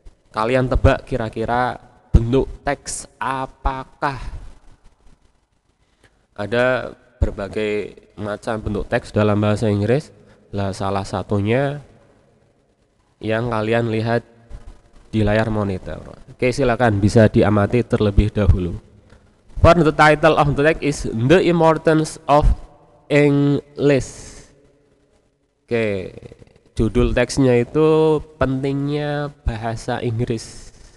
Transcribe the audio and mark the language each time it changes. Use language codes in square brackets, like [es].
[id] Kalian tebak kira-kira bentuk teks apakah? Ada berbagai macam bentuk teks dalam bahasa Inggris. Lah, salah satunya yang kalian lihat di layar monitor. Oke, silakan bisa diamati terlebih dahulu. [en] For the title of the text is The Importance of English. [id] Oke, judul teksnya itu pentingnya bahasa Inggris.